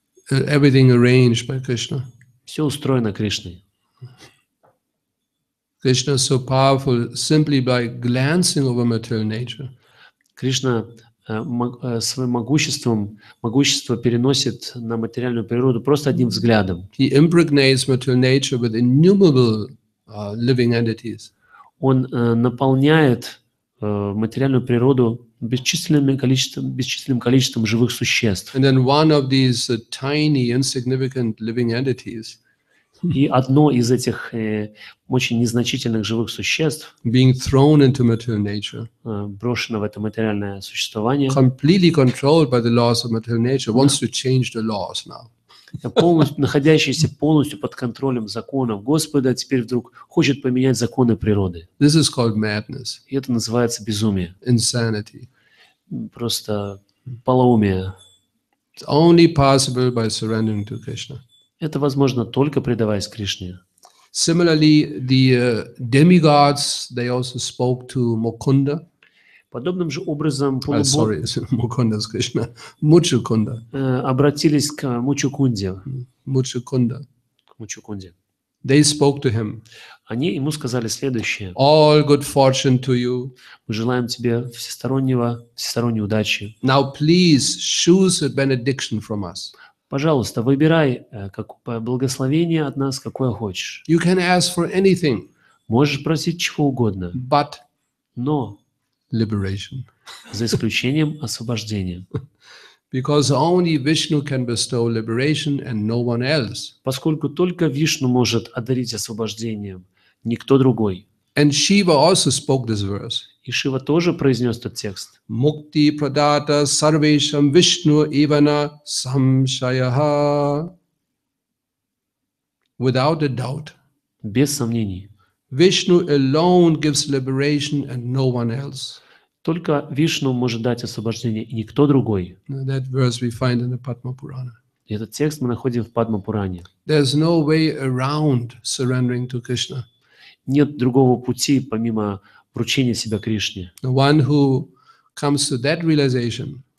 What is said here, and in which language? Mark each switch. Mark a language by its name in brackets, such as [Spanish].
[English] Everything arranged by Krishna. [Russian] Все устроено Кришной. [English] Krishna is so powerful simply by glancing over material nature. [Russian] Кришна своим могуществом могущество переносит на материальную природу просто одним взглядом. [English] He impregnates material nature with innumerable living entities. [Russian] Он наполняет материальную природу бесчисленным количеством живых существ. [English] And then one of these tiny, insignificant living entities. [Russian] И одно из этих очень незначительных живых существ, [English] being thrown into material nature, [Russian] брошено в это материальное существование, [English] completely controlled by the laws of material nature, wants to change the laws now. [Russian] Находящийся полностью под контролем законов Господа, теперь вдруг хочет поменять законы природы. [English] This is called madness. [Russian] И это называется безумие. [English] Insanity. [Russian] Просто полоумие. [English] It's only possible by surrendering to Krishna. [Russian] Это возможно только предаваясь Кришне. [English] Similarly, the demigods they also spoke to Mukunda. [Russian] Подобным же образом [English] Mukunda is Krishna. Мучукунда. [Russian] Обратились к Мучукунде. Мучукунда. К Мучукунде. [English] They spoke to him. [Russian] Они ему сказали следующее. [English] All good fortune to you. [Russian] Мы желаем тебе всесторонней удачи. [English] Now please choose a benediction from us. [Russian] Пожалуйста, выбирай благословение от нас, какое хочешь. [English] You can ask for anything. [Russian] Можешь просить чего угодно. [English] But [Russian] но [English] liberation. [Russian] За исключением освобождения. [English] Because only Vishnu can bestow liberation and no one else. [Russian] Поскольку только Вишну может одарить освобождением, никто другой. [English] And Shiva also spoke this verse. [Russian] И Шива тоже произнес этот текст. [Sanskrit] Мукти прадата сарвешам Вишну ивана самшаяха. [English] Without a doubt. [Russian] Без сомнений. [English] Vishnu alone gives liberation and no one else. [Russian] Только Вишну может дать освобождение и никто другой. [English] That verse we find in the Padma Purana. [Russian] Этот текст мы находим в Падма Пуране. [English] There's no way around surrendering to Krishna. [Russian] Нет другого пути, помимо вручения себя Кришне. [English] One who comes to that realization,